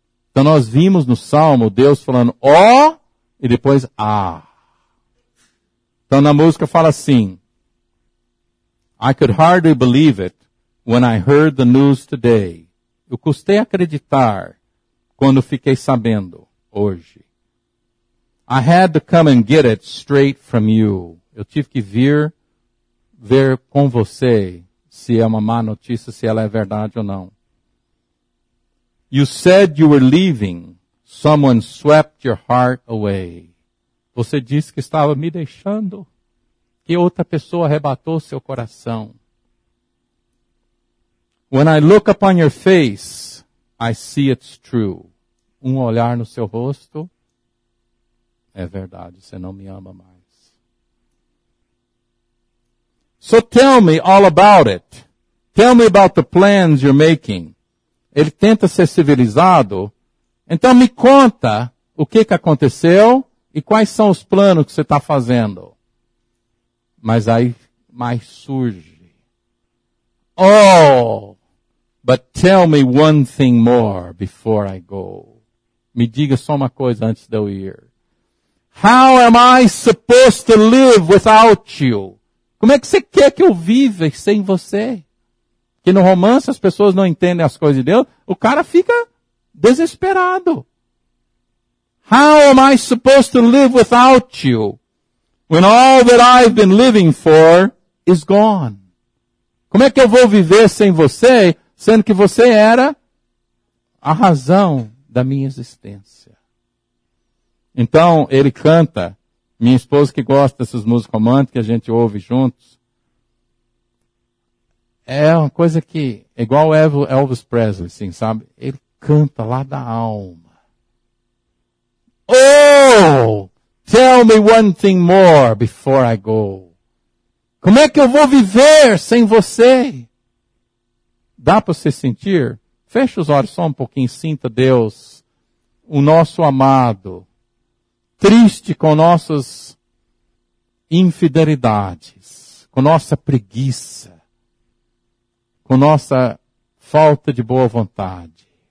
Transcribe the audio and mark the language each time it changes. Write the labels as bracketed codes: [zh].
[pt] Então nós vimos no Salmo Deus falando ó e depois ah. Então na música fala assim: [en] I could hardly believe it when I heard the news today. [pt] Eu custei acreditar quando fiquei sabendo hoje. [en] I had to come and get it straight from you. [pt] Eu tive que vir ver com você se é uma má notícia, se ela é verdade ou não. [en] You said you were leaving. Someone swept your heart away. [pt] Você disse que estava me deixando, que outra pessoa arrebatou seu coração. [en] When I look upon your face, I see it's true. [pt] Um olhar no seu rosto, é verdade, você não me ama mais. [en] So tell me all about it. Tell me about the plans you're making. [pt] Ele tenta ser civilizado. Então me conta o que, que aconteceu e quais são os planos que você está fazendo. Mas aí mais surge. [en] Oh, but tell me one thing more before I go. [pt] Me diga só uma coisa antes de eu ir. [en] How am I supposed to live without you? [pt] Como é que você quer que eu viva sem você? Que no romance as pessoas não entendem as coisas de Deus, o cara fica desesperado. [en] How am I supposed to live without you when all that I've been living for is gone? [pt] Como é que eu vou viver sem você, sendo que você era a razão da minha existência? Então, ele canta, minha esposa que gosta dessas músicas românticas que a gente ouve juntos, é uma coisa que, igual Elvis Presley, assim, sabe? Ele canta lá da alma. [en] Oh, tell me one thing more before I go. [pt] Como é que eu vou viver sem você? Dá para você sentir? Fecha os olhos só um pouquinho, sinta Deus, o nosso amado, triste com nossas infidelidades, com nossa preguiça, com nossa falta de boa vontade.